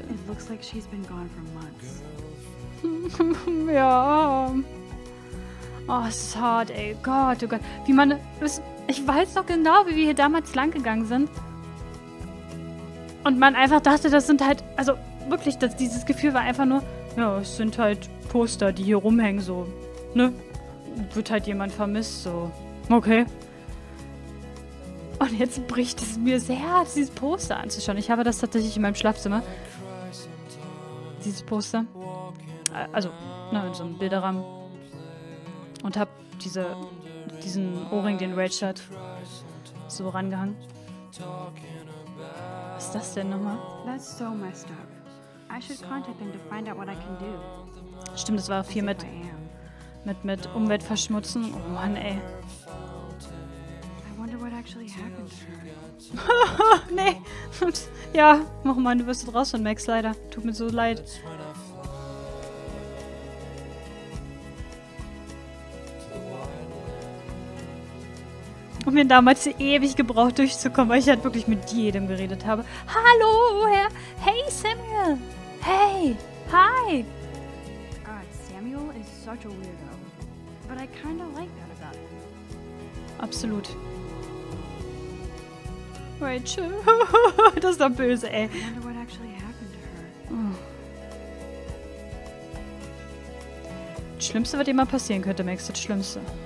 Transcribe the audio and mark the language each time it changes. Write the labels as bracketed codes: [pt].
[en] It looks like she's been gone for months. [de] Ja. Oh, es ist hart, ey. Gott, oh Gott. Wie man. Ich weiß noch genau, wie wir hier damals lang gegangen sind. Und man einfach dachte, das sind halt, also wirklich, das, dieses Gefühl war einfach nur, ja, es sind halt Poster, die hier rumhängen, so, ne? Wird halt jemand vermisst, so. Okay. Und jetzt bricht es mir sehr, dieses Poster anzuschauen. Ich habe das tatsächlich in meinem Schlafzimmer. Dieses Poster. Also, ne, in so einem Bilderrahmen. Und habe diesen Ohrring, den Rage hat, so rangehangen. Was ist das denn nochmal? [en] That's so messed up. I should contact them to find out what I can do. [de] Stimmt, das war viel mit Umweltverschmutzen. Oh Mann, ey. [en] I wonder what actually happened. [de] Nee. Ja, mach mal, du wirst raus von Max, leider. Tut mir so leid. Und mir damals ewig gebraucht durchzukommen, weil ich halt wirklich mit jedem geredet habe. Hallo, woher? Hey, Samuel. Hey. Hi. [en] God, Samuel is such a weirdo. But I kind of like that about him. [de] Absolut. Rachel. Das ist doch böse, ey. [en] I wonder what actually happened to her. [de] Das Schlimmste, was dir mal passieren könnte, Max, das Schlimmste.